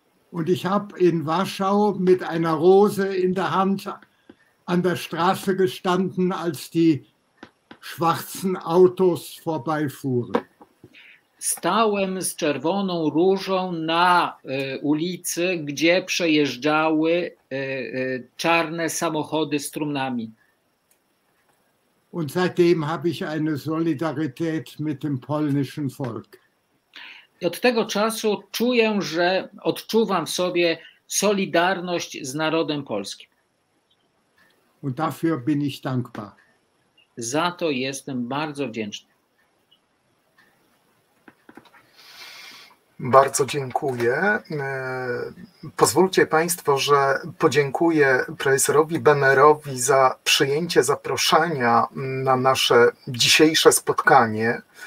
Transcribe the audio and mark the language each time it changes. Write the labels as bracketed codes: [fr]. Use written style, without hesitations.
[de] Und ich habe in Warschau mit einer Rose in der Hand an der Straße gestanden, als die schwarzen Autos vorbeifuhren. [pl] Stałem z czerwoną różą na ulicy, gdzie przejeżdżały czarne samochody z trumnami. [de] Und seitdem habe ich eine Solidarität mit dem polnischen Volk. [pl] I od tego czasu czuję, że odczuwam w sobie solidarność z narodem polskim. [de] Und dafür bin ich dankbar. [pl] Za to jestem bardzo wdzięczny. Bardzo dziękuję. Pozwólcie Państwo, że podziękuję profesorowi Benerowi za przyjęcie zaproszenia na nasze dzisiejsze spotkanie.